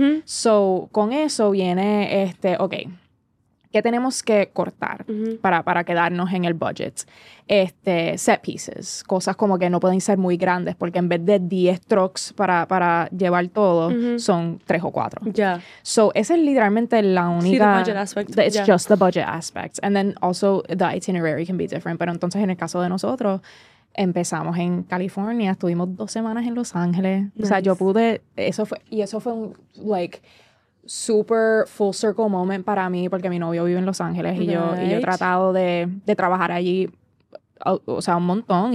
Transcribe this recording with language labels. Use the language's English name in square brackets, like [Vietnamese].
[Spanish] So, con eso viene ok, ¿qué tenemos que cortar para quedarnos en el budget? [English] Set pieces, [Spanish] cosas como que no pueden ser muy grandes, porque en vez de 10 trucks para llevar todo, son 3 o 4. [English] Yeah. [Spanish] So, esa es literalmente la única... Sí, [English] the budget aspect. Just the budget aspect. And then also the itinerary can be different. [Spanish] Pero entonces, en el caso de nosotros... Empezamos en California, estuvimos 2 semanas en Los Ángeles. Nice. O sea, yo pude, eso fue un, [English] like, super full circle moment [Spanish] para mí, porque mi novio vive en Los Ángeles y yo he tratado de trabajar allí, o sea, un montón.